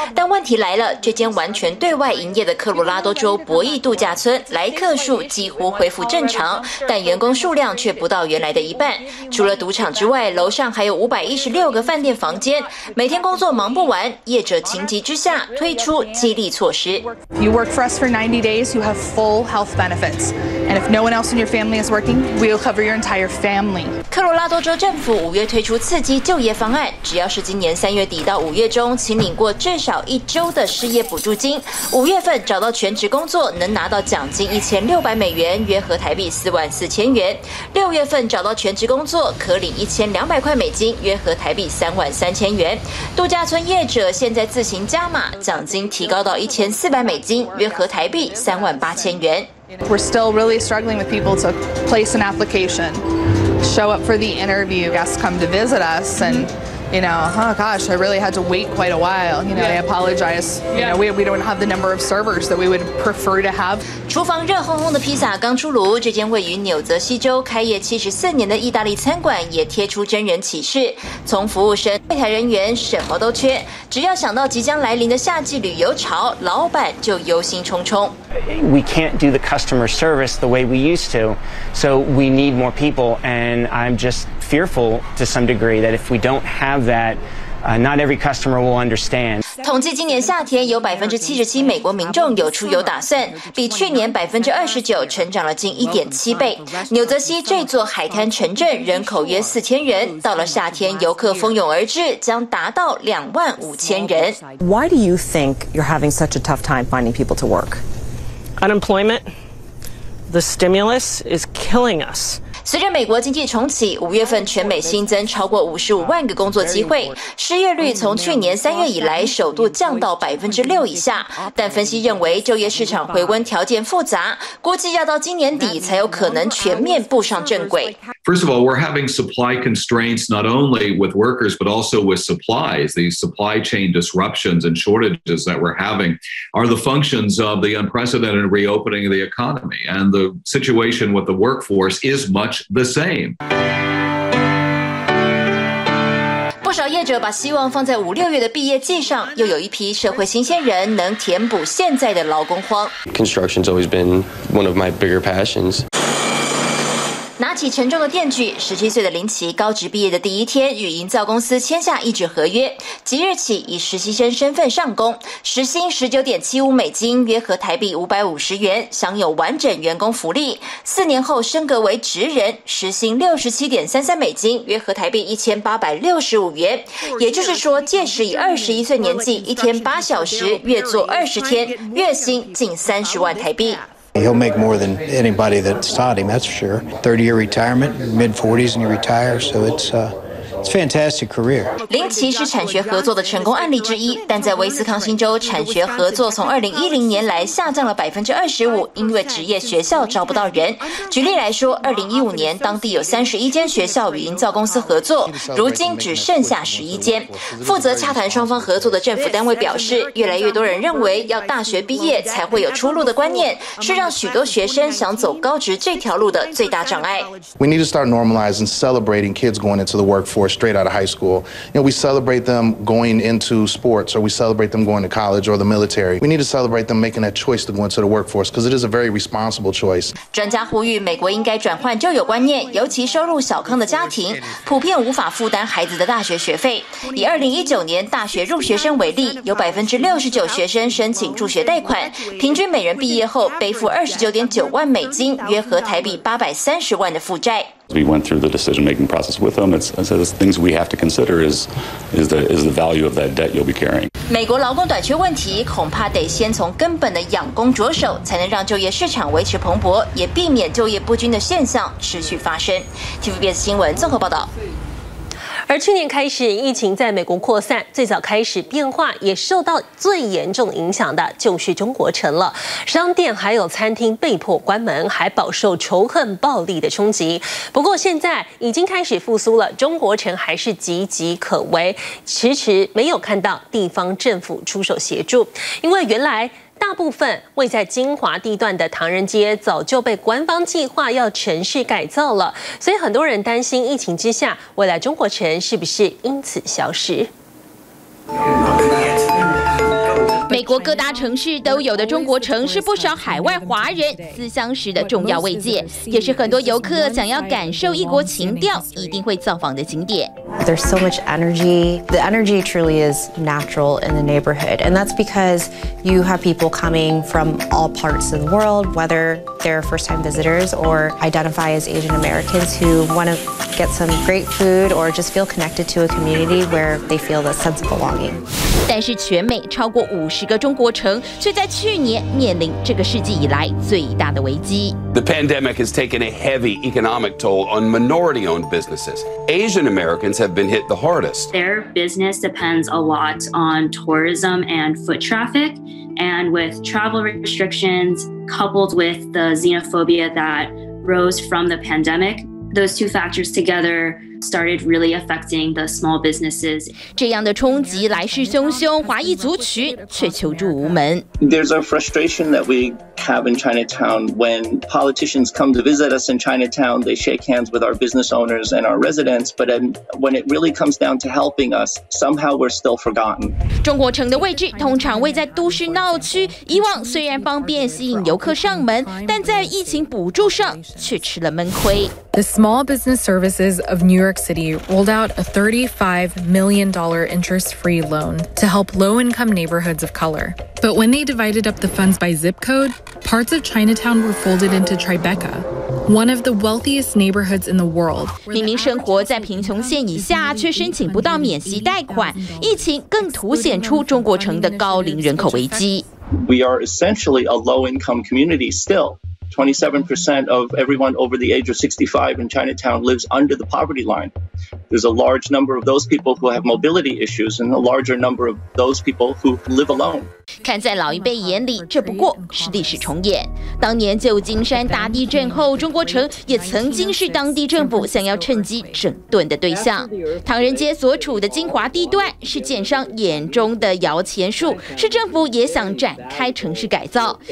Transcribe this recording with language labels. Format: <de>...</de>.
<zh>但问题来了，这间完全对外营业的科罗拉多州博弈度假村来客数几乎恢复正常，但员工数量却不到原来的一半。除了赌场之外，楼上还有516个饭店房间，每天工作忙不完，业者情急之下推出激励措施。</zh> <en>You work for us for 90 days, you have full health benefits. And if no one else in your family is working, we'll cover your entire family.</en> <zh>科罗拉多州政府5月推出刺激就业方案，只要是今年3月底到5月中请领过至少1周的失业补助金，5月份找到全职工作能拿到奖金1600美元，约合台币44000元。 6月份找到全职工作可领1200块美金，约合台币33000元。度假村业者现在自行加码，奖金提高到1400美金，约合台币38000元。</zh> <en>We're still really struggling with people to place an application, show up for the interview, guests come to visit us, and you know, oh gosh, I really had to wait quite a while. You know, I apologize. You know, we don't have the number of servers that we would prefer to have.</en> <zh>厨房热烘烘的披萨刚出炉，这间位于纽泽西州开业74年的意大利餐馆也贴出真人启示：从服务生、柜台人员什么都缺，只要想到即将来临的夏季旅游潮，老板就忧心忡忡。</zh> <en>We can't do the customer service the way we used to, so we need more people, and I'm just fearful to some degree that if we don't have that, not every customer will understand.</en> <zh>统计今年夏天有77%美国民众有出游打算，比去年29%成长了近1.7倍。纽泽西这座海滩城镇人口约4000人，到了夏天游客蜂拥而至，将达到25000人。</zh> <en>Why do you think you're having such a tough time finding people to work? Unemployment, the stimulus is killing us.</en> <zh>随着美国经济重启，五月份全美新增超过550,000个工作机会，失业率从去年三月以来首度降到6%以下。但分析认为，就业市场回温条件复杂，估计要到今年底才有可能全面步上正轨。</zh> <en>First of all, we're having supply constraints not only with workers, but also with supplies. These supply chain disruptions and shortages that we're having are the functions of the unprecedented reopening of the economy. And the situation with the workforce is much the same.</en> <zh>不少业者把希望放在5、6月的毕业季上，又有一批社会新鲜人能填补现在的劳工荒。</zh> <en>Construction's always been one of my bigger passions.</en> <zh>拿起沉重的电锯，17岁的林奇高职毕业的第一天，与营造公司签下一纸合约，即日起以实习生身份上工，时薪19.75美金，约合台币550元，享有完整员工福利。 4年后升格为职人，时薪67.33美金，约合台币1865元。也就是说，届时以21岁年纪，1天8小时，月做20天，月薪近30万台币。</zh> <en>He'll make more than anybody that taught him, that's for sure. 30-year retirement, mid-40s and you retire, so it's a fantastic career.</en> <zh>林奇是产学合作的成功案例之一，但在威斯康星州，产学合作从2010年来下降了25%，因为职业学校招不到人。举例来说，2015年当地有31间学校与营造公司合作，如今只剩下11间。负责洽谈双方合作的政府单位表示，越来越多人认为要大学毕业才会有出路的观念，是让许多学生想走高职这条路的最大障碍。</zh> <en>We need to start normalizing, celebrating kids going into the workforce. Straight out of high school. You know, we celebrate them going into sports, or we celebrate them going to college or the military. We need to celebrate them making that choice to go into the workforce because it is a very responsible choice.</en> <zh>专家呼吁美国应该转换旧有观念，尤其收入小康的家庭普遍无法负担孩子的大学学费。以2019年大学入学生为例，有69%学生申请助学贷款，平均每人毕业后背负29.9万美金，约合台币830万的负债。</zh> <en>We went through the decision-making process with them. It's things we have to consider is the value of that debt you'll be carrying.</en> <zh>美国劳工短缺问题恐怕得先从根本的养工着手，才能让就业市场维持蓬勃，也避免就业不均的现象持续发生。 TVBS 新闻综合报道。而去年开始，疫情在美国扩散，最早开始变化也受到最严重影响的就是中国城了。商店还有餐厅被迫关门，还饱受仇恨暴力的冲击。不过现在已经开始复苏了，中国城还是岌岌可危，迟迟没有看到地方政府出手协助。因为原来大部分位在精华地段的唐人街早就被官方计划要城市改造了，所以很多人担心疫情之下，未来中国城是不是因此消失。美国各大城市都有的中国城是不少海外华人思乡时的重要慰藉，也是很多游客想要感受异国情调一定会造访的景点。</zh> <en>There's so much energy. The energy truly is natural in the neighborhood, and that's because you have people coming from all parts of the world, whether they're first-time visitors or identify as Asian Americans who want to get some great food or just feel connected to a community where they feel the sense of belonging.</en> <zh>但是全美超过50个中国城，却在去年面临这个世纪以来最大的危机。</zh> <en>The pandemic has taken a heavy economic toll on minority-owned businesses. Asian Americans have been hit the hardest. Their business depends a lot on tourism and foot traffic, and with travel restrictions coupled with the xenophobia that rose from the pandemic, those two factors together started really affecting the small businesses.</en> <zh>这样的冲击来势汹汹，华裔族群却求助无门。</zh> <en>There's a frustration that we have in Chinatown when politicians come to visit us in Chinatown. They shake hands with our business owners and our residents, but when it really comes down to helping us, somehow we're still forgotten.</en> <zh>中国城的位置通常位在都市闹区，以往虽然方便吸引游客上门，但在疫情补助上却吃了闷亏。</zh> <en>The Small Business Services of New York City rolled out a $35 million interest-free loan to help low-income neighborhoods of color. But when they divided up the funds by zip code, parts of Chinatown were folded into Tribeca, one of the wealthiest neighborhoods in the world.</en> <zh>明明生活在贫穷线以下，却申请不到免息贷款，疫情更凸显出中国城的高龄人口危机。</zh> <en>We are essentially a low-income community still. 27% of everyone over the age of 65 in Chinatown lives under the poverty line. There's a large number of those people who have mobility issues and a larger number of those people who live alone.</en> <zh>看在老一辈眼里，这不过是历史重演。当年旧金山大地震后，中国城也曾经是当地政府想要趁机整顿的对象。唐人街所处的精华地段是建商眼中的摇钱树，是政府也想展开城市改造。</zh>